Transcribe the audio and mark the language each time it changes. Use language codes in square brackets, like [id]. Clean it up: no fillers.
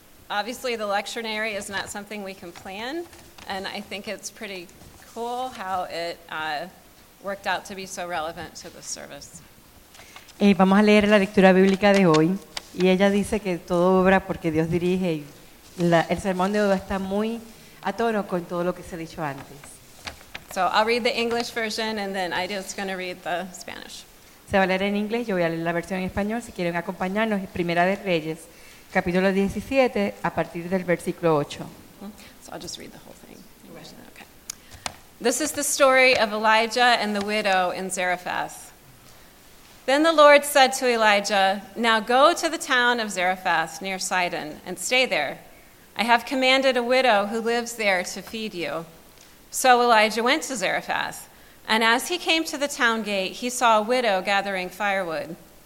[en] Obviously, the lectionary is not something we can plan, and I think it's pretty cool how it worked out to be so relevant to the service. [es] Vamos a leer la lectura bíblica de hoy, y ella dice que todo obra porque Dios dirige. El sermón de hoy está muy a tono con todo lo que se ha dicho antes. [en] So I'll read the English version, and then Ida's going to read the Spanish. [es] Se va a leer en inglés, yo voy a leer la versión en español. Si quieren acompañarnos, es Primera de Reyes, capítulo 17, a partir del versículo 8. [en] So I'll just read the whole thing. Okay. This is the story of Elijah and the widow in Zarephath. Then the Lord said to Elijah, "Now go to the town of Zarephath near Sidon and stay there. I have commanded a widow who lives there to feed you." So Elijah went to Zarephath, and as he came to the town gate, he saw a widow gathering firewood.